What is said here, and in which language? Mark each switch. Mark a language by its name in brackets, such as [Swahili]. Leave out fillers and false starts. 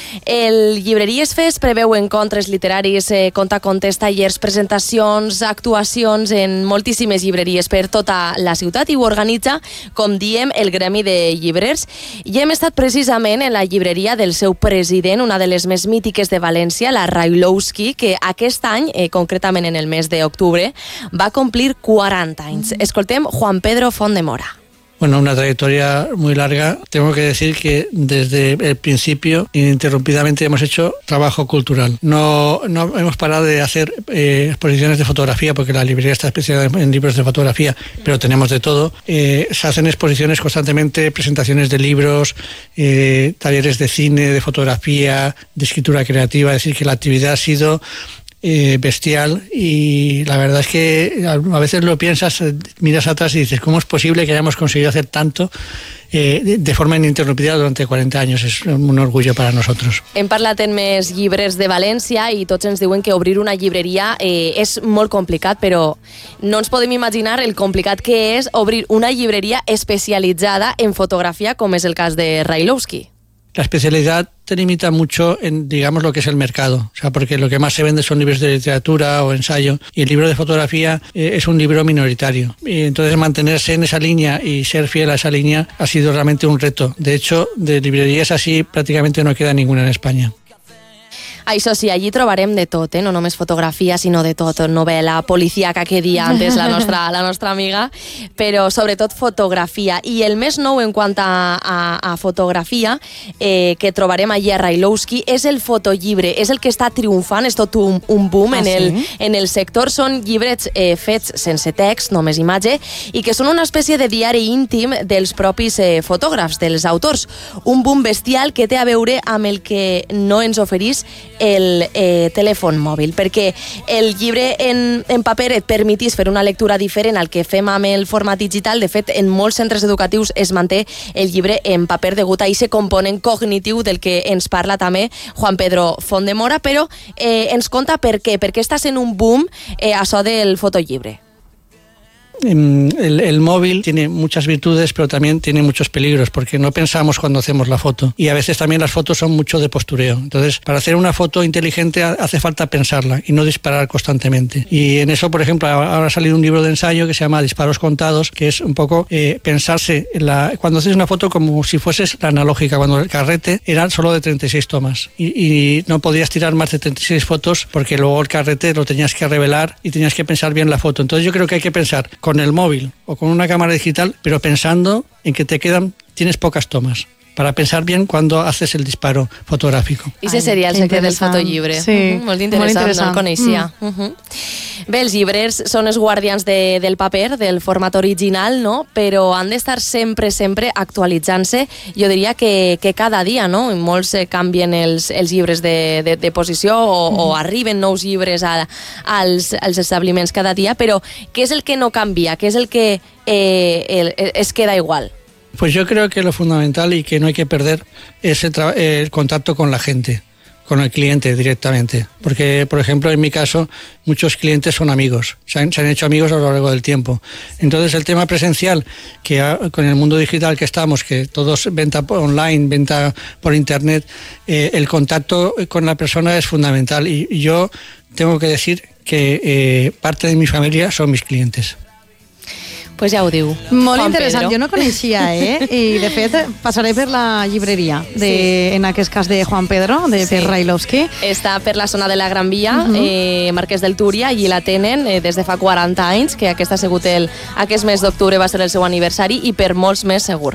[Catalan] El Llibreries Fest preveu encontres literaris, conta contes, tallers, presentacions, actuacions en moltíssimes llibreries per tota la ciutat i ho organitza, com diem, el Gremi de Llibrers. I hem estat precisament en la llibreria del seu president, una de les més mítiques de València, la Railowski, que aquest any, concretament en el mes d'octubre, va complir 40 anys. Escoltem Juan Pedro Font de Mora. [Spanish] bueno, una trayectoria muy larga. Tengo que decir que desde el principio, ininterrumpidamente, hemos hecho trabajo cultural. No hemos parado de hacer exposiciones de fotografía, porque la librería está especializada en libros de fotografía, pero tenemos de todo. Se hacen exposiciones constantemente, presentaciones de libros, talleres de cine, de fotografía, de escritura creativa. Es decir, que la actividad ha sido bestial, y la verdad es que a veces lo piensas, miras atrás y dices, ¿cómo es posible que hayamos conseguido hacer tanto de forma ininterrumpida durante 40 años? Es un orgullo para nosotros. [Catalan] Hem parlat en més llibres de València i tots ens diuen que obrir una llibreria és molt complicat, però no ens podem imaginar el complicat que és obrir una llibreria especialitzada en fotografia, com és el cas de Railowski. [Spanish] La especialidad te limita mucho en, digamos, lo que es el mercado, o sea, porque lo que más se vende son libros de literatura o ensayo, y el libro de fotografía es un libro minoritario, y entonces mantenerse en esa línea y ser fiel a esa línea ha sido realmente un reto. De hecho, de librerías así prácticamente no queda ninguna en España. [Catalan] Això sí, allí trobarem de tot, no només fotografia, sinó de tot, novel·la, policíaca, que dia antes la nostra amiga, però sobretot fotografia. I el més nou en quant a fotografia que trobarem allí a Railowski és el fotollibre, és el que està triomfant, és tot un boom en el sector. Són llibrets fets sense text, només imatge, i que són una espècie de diari íntim dels propis fotògrafs, dels autors. Un boom bestial que té a veure amb el que no ens oferís el telèfon mòbil, perquè el llibre en paper et permetís fer una lectura diferent al que fem amb el format digital. De fet, en molts centres educatius es manté el llibre en paper degut a aquest component cognitiu del que ens parla també Juan Pedro Font de Mora, però ens conta per què, perquè està sent un boom això del fotollibre. [Spanish] El móvil tiene muchas virtudes, pero también tiene muchos peligros, porque no pensamos cuando hacemos la foto, y a veces también las fotos son mucho de postureo. Entonces, para hacer una foto inteligente hace falta pensarla y no disparar constantemente, y en eso, por ejemplo, ahora ha salido un libro de ensayo que se llama Disparos Contados, que es un poco pensarse cuando haces una foto como si fueses la analógica, cuando el carrete era solo de 36 tomas y no podías tirar más de 36 fotos, porque luego el carrete lo tenías que revelar y tenías que pensar bien la foto. Entonces yo creo que hay que pensar con el móvil o con una cámara digital, pero pensando en que tienes pocas tomas, para pensar bien cuando haces el disparo fotográfico. [Catalan] I ese seria el secret del fotollibre. Sí. Molt interessant, no el coneixia. Bé, els llibres són els guardians del paper, del format original, no? Però han d'estar sempre, sempre actualitzant-se. Jo diria que cada dia, no? Molts canvien els llibres de posició o arriben nous llibres als establiments cada dia, però què és el que no canvia? Què és el que es queda igual? [Spanish] Pues yo creo que lo fundamental y que no hay que perder es el contacto con la gente, con el cliente directamente. Porque, por ejemplo, en mi caso, muchos clientes son amigos, se han hecho amigos a lo largo del tiempo. Entonces, el tema presencial, que con el mundo digital que estamos, que todo es venta online, venta por internet, el contacto con la persona es fundamental. Y yo tengo que decir que parte de mi familia son mis clientes. [Catalan] Pues ja ho diu. Molt interessant, jo no coneixia, i de fet passaré per la llibreria, en aquest cas de Juan Pedro, de Pierre Railowski. Està per la zona de la Gran Via, Marquès del Túria, i la tenen des de fa 40 anys, que aquest ha sigut aquest mes d'octubre va ser el seu aniversari, i per molts més segur.